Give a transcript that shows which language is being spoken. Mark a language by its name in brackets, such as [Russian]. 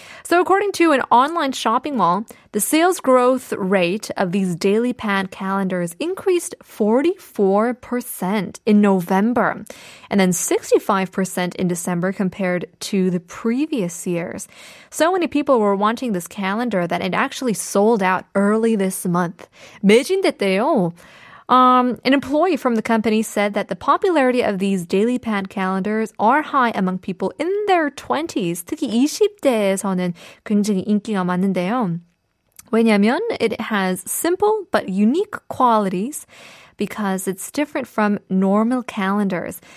[English] So according to an online shopping mall, the sales growth rate of these daily pad calendars increased 44% in November and then 65% in December compared to the previous years. So many people were wanting this calendar that it actually sold out early this month. [Korean] 매진됐대요. [English] An employee from the company said that the popularity of these daily pad calendars are high among people in their 20s. [Korean] 특히 20대에서는 굉장히 인기가 많은데요. 왜냐면 [English] it has simple but unique qualities because it's different from normal calendars.